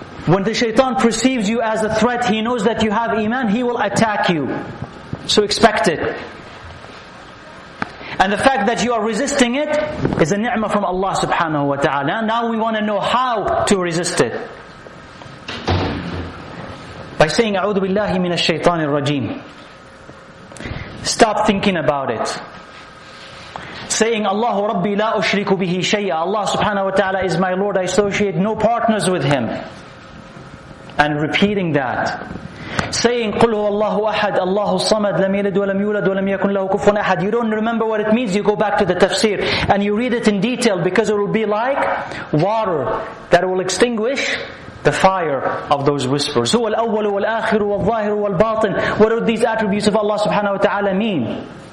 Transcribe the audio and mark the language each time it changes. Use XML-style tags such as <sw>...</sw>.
<en>When the shaitan perceives you as a threat, he knows that you have iman, he will attack you. So expect it. And the fact that you are resisting it is a ni'mah from Allah subhanahu wa ta'ala. Now we want to know how to resist it. By saying,</en> <ar>أعوذ بالله من الشيطان الرجيم.</ar> <en>Stop thinking about it. Saying,</en> <ar>Allah Rabbi la ushriku bihi shay'a.</ar> <en>Allah subhanahu wa ta'ala is my Lord, I associate no partners with Him. And repeating that. Saying,</en> <ar>قُلْ هُوَ اللَّهُ أَحَدٌ اللَّهُ الصَّمَدُ لَمْ يَلِدْ وَلَمْ يُولَدْ وَلَمْ يَكُنْ لَهُ كُفُوًا أَحَدٌ.</ar> <en>You don't remember what it means, you go back to the tafsir. And you read it in detail, because it will be like water that will extinguish the fire of those whispers.</en> <ar>هُوَ الْأَوَّلُ وَالْآخِرُ وَالْظَاهِرُ وَالْبَاطِنُ.</ar> <en>What do these attributes of Allah subhanahu wa ta'ala mean?</en>